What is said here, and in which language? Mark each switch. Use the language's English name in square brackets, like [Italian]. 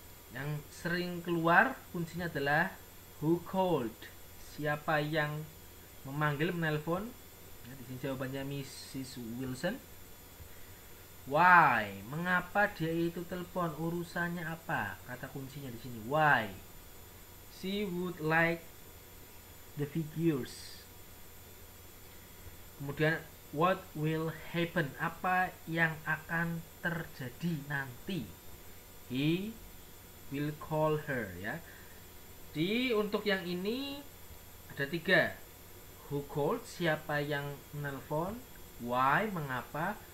[Indonesian] Yang sering keluar kuncinya adalah [English] who called. [Indonesian] Siapa yang memanggil, menelpon? Ya, di sini jawabannya Mrs. Wilson. Why? Mengapa dia itu telepon? Urusannya apa? Kata kuncinya di sini why. [English] She would like the figures. Kemudian what will happen? [Indonesian] Apa yang akan terjadi nanti? [English] He will call her [Indonesian] ya. Di untuk yang ini ada tiga. [English] Who called? [Indonesian] Siapa yang menelpon? Why? Mengapa?